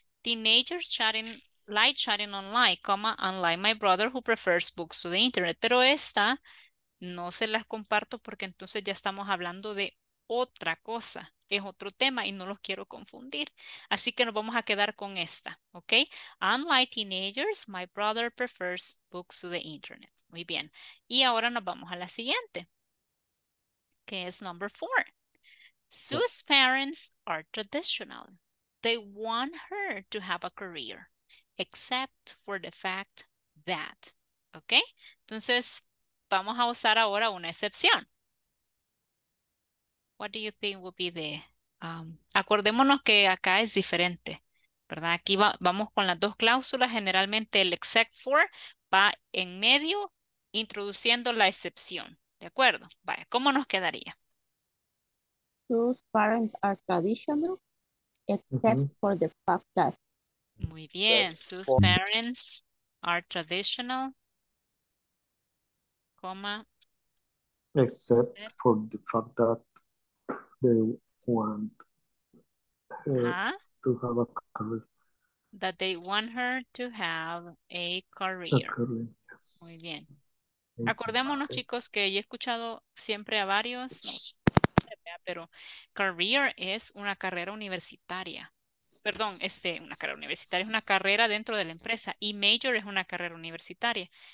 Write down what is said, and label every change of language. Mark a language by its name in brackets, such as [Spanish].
[English] Teenagers chatting, like chatting online, comma, unlike my brother who prefers books to the internet. [Spanish] Pero esta no se las comparto porque entonces ya estamos hablando de otra cosa. Es otro tema y no los quiero confundir. Así que nos vamos a quedar con esta, ¿ok? [English] Unlike teenagers, my brother prefers books to the internet. [Spanish] Muy bien. Y ahora nos vamos a la siguiente, que es number 4. [English] Sue's parents are traditional. They want her to have a career, except for the fact that, ¿ok? [Spanish] Entonces, vamos a usar ahora una excepción. [English] What do you think would be the... [Spanish] acordémonos que acá es diferente, ¿verdad? Aquí vamos con las dos cláusulas. Generalmente el except for va en medio introduciendo la excepción. ¿De acuerdo? Vaya, ¿cómo nos quedaría? [English] Those parents are traditional except mm-hmm. for the fact that... [Spanish] Muy bien. [English] Sus parents are traditional... comma. Except for the fact that they want to have a career. That they want her to have a career. A career. [Spanish] Muy bien. Acordémonos, chicos, que he escuchado siempre a varios, pero career es una carrera universitaria. Perdón, una carrera universitaria es una carrera dentro de la empresa y major es una carrera universitaria.